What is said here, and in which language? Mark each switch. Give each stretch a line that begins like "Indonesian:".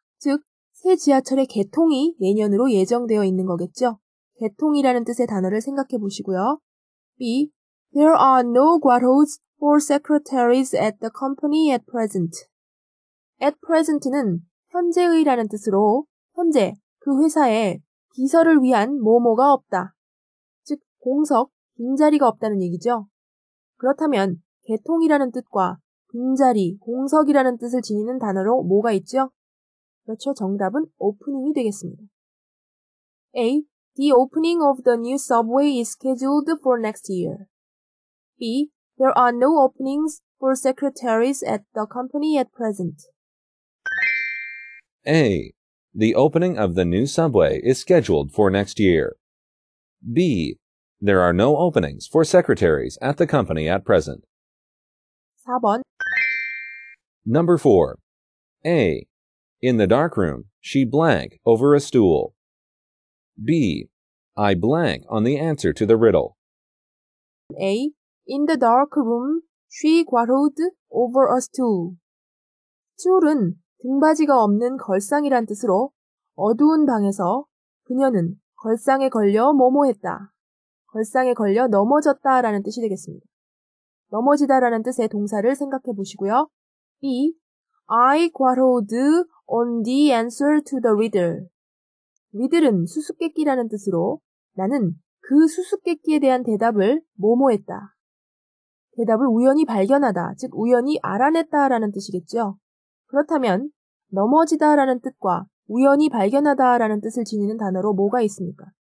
Korean: 즉, 새 지하철의 개통이 내년으로 예정되어 있는 거겠죠. 개통이라는 뜻의 단어를 생각해 보시고요. B.
English: There are no 괄호s for secretaries at the company at present. At present
Korean: 는 현재의라는 뜻으로 현재 그 회사에 비서를 위한 뭐뭐가 없다. 즉, 공석, 빈자리가 없다는 얘기죠. 그렇다면 개통이라는 뜻과 빈자리, 공석이라는 뜻을 지니는 단어로 뭐가 있죠? 그렇죠. 정답은 opening이 되겠습니다. A.
English: The opening of the new subway is scheduled for next year. B. There are no openings for secretaries at the company at present. A. The opening of the new subway is scheduled for next year. B. There are no openings for secretaries at the company at present.
Korean: 4번.
English: Number 4. A. In the dark room, she blank over a stool. B. I blank on the answer to the riddle. A. In the dark room, she 과로'd over a stool.
Korean: Stool은 등받이가 없는 걸상이란 뜻으로 어두운 방에서 그녀는 걸상에 걸려 뭐뭐했다. 걸상에 걸려 넘어졌다라는 뜻이 되겠습니다. 넘어지다라는 뜻의 동사를 생각해 보시고요. B.
English: I 과로'd on the answer to the riddle.
Korean: Riddle은 수수께끼라는 뜻으로 나는 그 수수께끼에 대한 대답을 뭐뭐했다. 대답을 우연히 발견하다, 즉 우연히 알아냈다라는 뜻이겠죠. 그렇다면 넘어지다라는 뜻과 우연히 발견하다라는 뜻을 지니는 단어로 뭐가 있습니까?